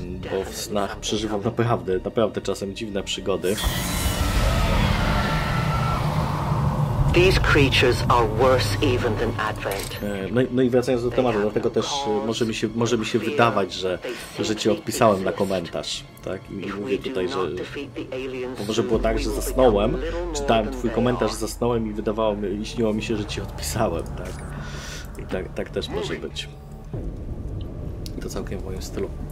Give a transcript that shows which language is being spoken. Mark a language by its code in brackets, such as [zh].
[pl] Bo w snach przeżywam naprawdę czasem dziwne przygody. [en] These creatures are worse even than Advent. [pl] No i wracając do tematu, dlatego też może mi się wydawać, że ci odpisałem na komentarz, tak? I mówię tutaj, że może było tak, że zasnąłem, czytałem twój komentarz, zasnąłem i wydawało mi się, śniło mi się, że ci odpisałem, tak? I tak też może być. I to całkiem w moim stylu.